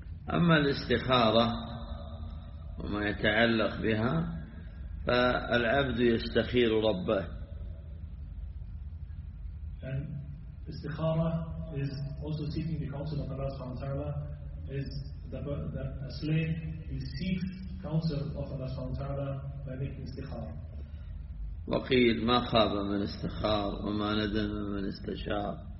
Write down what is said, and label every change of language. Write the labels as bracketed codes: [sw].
[ar] أما الاستخارة وما يتعلق بها، فالعبد يستخير ربه. [en] And استخارة is also seeking the counsel of Allah subhanahu wa ta'ala. Is that a slave he seeks counsel of Allah subhanahu wa ta'ala by making استخارة. [ar] وقيل ما خاب من استخار وما ندم من استشار.